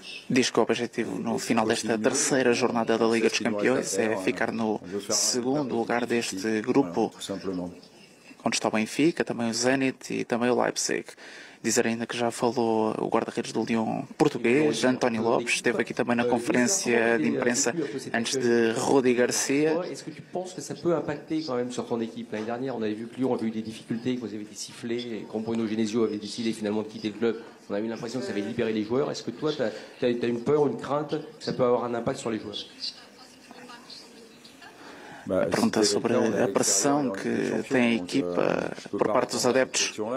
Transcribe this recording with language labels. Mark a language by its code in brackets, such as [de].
[pt] Diz que o objetivo no final desta terceira jornada da Liga dos Campeões é ficar no segundo lugar deste grupo. onde está o Benfica, também o Zenit e também o Leipzig. Dizer ainda que já falou o guarda-redes do Lyon português, António Lopes, esteve aqui também na conferência de imprensa antes de Rudi Garcia. [fr] Est-ce que tu penses que ça peut impacter quand même sur ton équipe l'année dernière? On avait vu que Lyon avait eu des difficultés, que vous avez été sifflé, et quand Bruno Genesio avait décidé finalement de quitter le club, on a eu l'impression que ça avait libéré les joueurs. Est-ce que toi, tu as une peur, une crainte que ça peut avoir un impact sur les joueurs? [pt] A pergunta sobre a pressão que tem a equipa por parte dos adeptos.